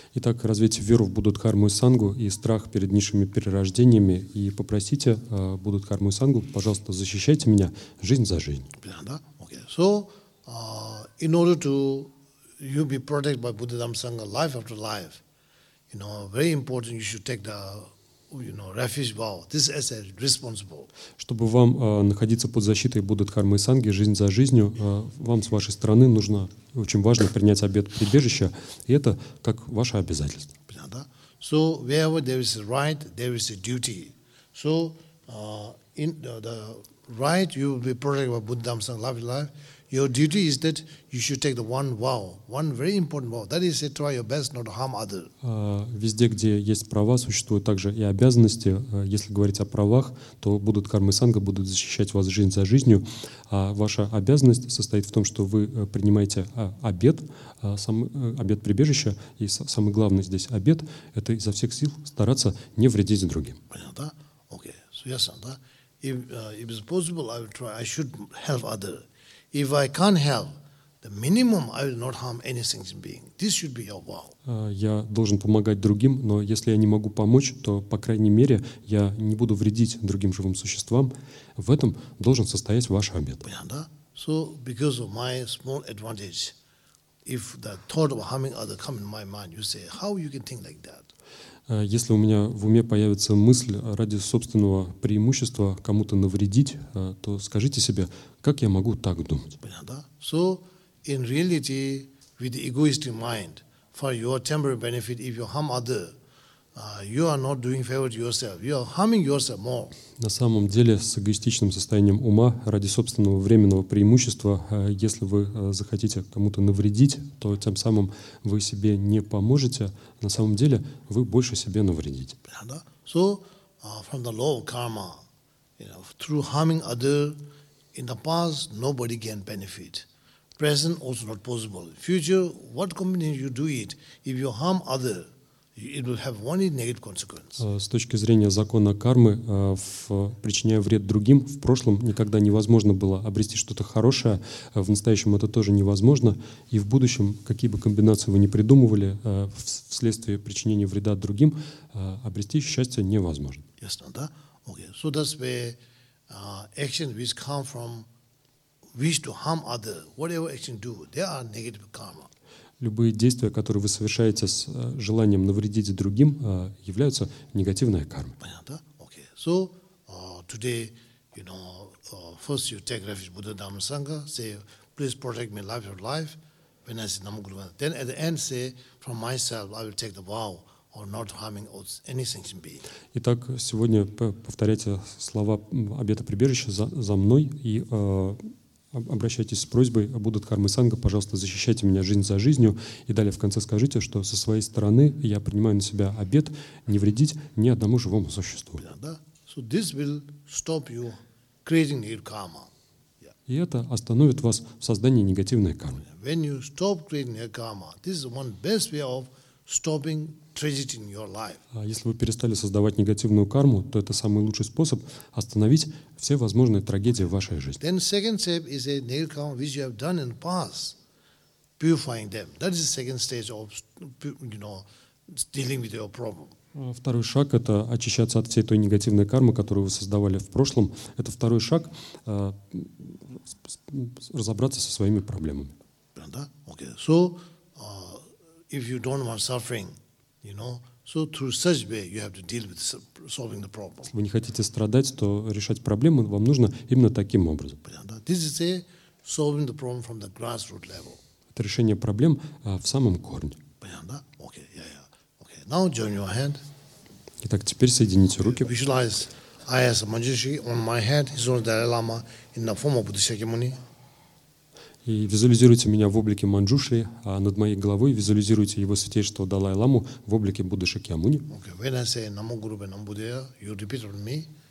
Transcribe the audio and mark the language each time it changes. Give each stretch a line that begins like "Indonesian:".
Russian: Итак, развейте веру в Будду Дхарму и Сангу и страх перед низшими перерождениями и попросите Будду Дхарму и Сангу, пожалуйста, защищайте меня жизнь за жизнь. Да,
English: okay. So, in order to you be protected by Buddha Dhamma Sangha life after life, you know, very important you should take the, you know, refuge vow. This is a responsible.
Russian: Чтобы вам находиться под защитой Будды Дхармы и Санги жизнь за жизнью, вам с вашей стороны нужно очень важно принять обет прибежища, и это как ваше обязательство. Да.
English: So wherever there is a right, there is a duty. So in the right, you will be protected by Buddha Dhamma Sangha life after life. Your duty is that you should take the one vow, one very important vow. That is, try your best not to harm others.
Russian: Везде, где есть права, существуют также и обязанности. Если говорить о правах, то Будда Дхарма и Санга будут защищать вас жизнь за жизнью. Ваша обязанность состоит в том, что вы принимаете обет, обет прибежища, и самый главный здесь обет — это изо всех сил стараться не вредить другим. Понятно, да? Окей. Ясно, да?
English: If it's possible, I will try. I should help others. If I can't help, the minimum I will not harm any sentient being. This should be your vow.
Russian: Я должен помогать другим, но если я не могу помочь, то по крайней мере я не буду вредить другим живым существам. В этом должен состоять ваш обет. Понятно?
English: So because of my small advantage, if the thought of harming others come in my mind, you say, how you can think like that?
Russian: Если у меня в уме появится мысль ради собственного преимущества кому-то навредить, то скажите себе, как я могу так думать? Понятно, да?
English: So, in reality, with the egoistic mind, for your temporary benefit, if you harm other, you are not doing favor to yourself. You are harming yourself more.
Russian: На самом деле, с эгоистичным состоянием ума, ради собственного временного преимущества, если вы захотите кому-то навредить, то тем самым вы себе не поможете. На самом деле, вы больше себе навредите. Да?
English: So, from the law of karma, you know, through harming other, in the past, nobody can benefit. Present, also not possible. Future, what company you do it, if you harm other, it will have only negative consequence.
Russian: С точки зрения закона кармы, причиняя вред другим, в прошлом никогда невозможно было обрести что-то хорошее, в настоящем это тоже невозможно, и в будущем, какие бы комбинации вы ни придумывали, вследствие причинения вреда другим, обрести счастье невозможно. Ясно, да?
English: Okay. So that's where action which come from wish to harm other, whatever action do, they are negative karma.
Russian: Любые действия, которые вы совершаете с желанием навредить другим, являются негативной кармой. Понятно?
English: Okay. So, today, you know, first you take refuge Buddha Dhamma Sangha, say, please protect me life of life, when I say Namo Guru. Then at the end say, from myself, I will take the vow of not harming any sentient being.
Russian: Итак, сегодня повторяйте слова обета прибежища за мной и обращайтесь с просьбой Будда Дхармы Санга, пожалуйста, защищайте меня жизнь за жизнью. И далее в конце скажите, что со своей стороны я принимаю на себя обет не вредить ни одному живому существу. Да?
English: So this will stop you creating your karma.
Russian: И это остановит вас в создании негативной кармы.
English: When you stop creating your karma, this is one best way of stopping tragedy in your life.
Russian: Если вы перестали создавать негативную карму, то это самый лучший способ остановить все возможные трагедии в вашей жизни.
English: Then second step is a negative karma which you have done in the past, purifying them. That is the second stage of, you know, dealing with your problem.
Russian: Второй шаг — это очищаться от всей той негативной кармы, которую вы создавали в прошлом. Это второй шаг разобраться со своими проблемами. Да?
English: Okay. So, if you don't want suffering, you know, so through such way you have to deal with solving the problem.
Russian: Если вы не хотите страдать, то решать проблемы вам нужно именно таким образом. Да?
English: This is a solving the problem from the grassroots level.
Russian: Это решение проблем в самом корне. Да?
English: Okay. Yeah, yeah. Now join your hand.
Russian: Итак, теперь соедините руки.
English: Visualize I as a Manjushri on my head, his own Dalai Lama in the form of Buddha Shakyamuni.
Russian: И визуализируйте меня в облике Манджушри, а над моей головой визуализируйте его святейшество Далай Ламу в облике Будды Шакьямуни.
English: Okay. When I say Namo Guru Namo Buddhaya, you repeat on me.